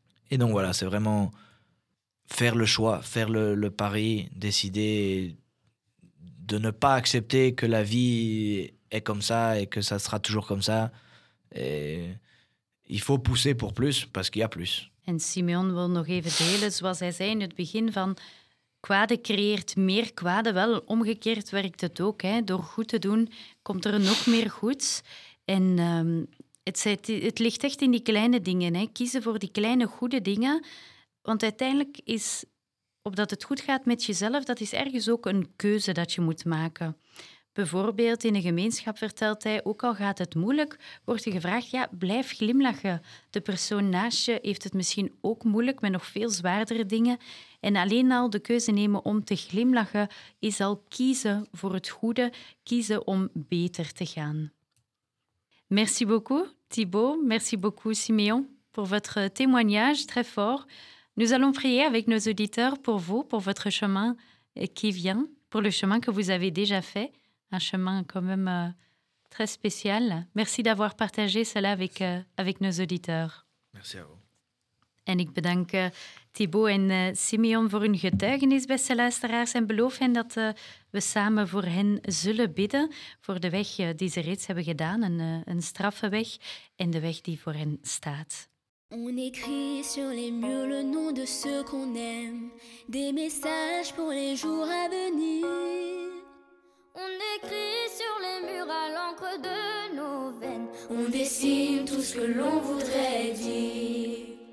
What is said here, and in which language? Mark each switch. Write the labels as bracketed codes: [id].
[fr] Et donc, voilà, c'est vraiment faire le choix, faire le pari, décider de ne pas accepter que la vie est comme ça et que ça sera toujours comme ça. Et il faut pousser pour plus, parce qu'il y a plus. [nl] En Simeon wil nog even delen, zoals hij zei in het begin, van kwade creëert meer kwade. Wel, omgekeerd werkt het ook, hè. Door goed te doen, komt er nog meer goeds. En het ligt echt in die kleine dingen, hè. Kiezen voor die kleine goede dingen. Want uiteindelijk is, opdat het goed gaat met jezelf, dat is ergens ook een keuze dat je moet maken. Bijvoorbeeld in een gemeenschap vertelt hij, ook al gaat het moeilijk, wordt je gevraagd, ja, blijf glimlachen. De persoon naast je heeft het misschien ook moeilijk met nog veel zwaardere dingen. En alleen al de keuze nemen om te glimlachen is al kiezen voor het goede, kiezen om beter te gaan. [fr] Merci beaucoup, Thibaut. Merci beaucoup, Simeon, pour votre témoignage très fort. Nous allons prier avec nos auditeurs pour vous, pour votre chemin qui vient, pour le chemin que vous avez déjà fait. Un chemin quand même très spécial. Merci d'avoir partagé cela avec nos auditeurs. Merci à vous. [nl] En ik bedank Thibaut en Simeon voor hun getuigenis, beste luisteraars, en beloof hen dat we samen voor hen zullen bidden, voor de weg die ze reeds hebben gedaan, een straffe weg, en de weg die voor hen staat. [fr] On écrit sur les murs le nom de ceux qu'on aime, des messages pour les jours à venir. On écrit sur les murs à l'encre de nos veines, on dessine tout ce que l'on voudrait dire.